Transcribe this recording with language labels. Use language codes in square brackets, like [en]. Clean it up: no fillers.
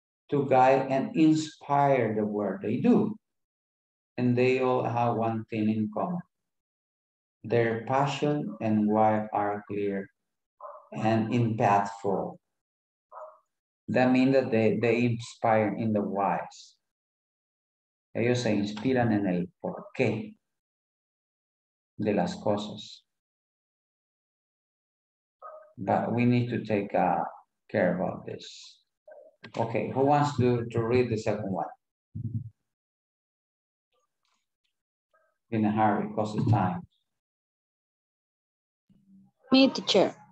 [en] to guide and inspire the work they do. And they all have one thing in common. Their passion and why are clear and impactful. That means that they inspire in the whys. [es] Ellos se inspiran en el porqué de las cosas. [en] But we need to take care about this. Okay, who wants to read the second one? In a hurry, because it's time. Me, teacher.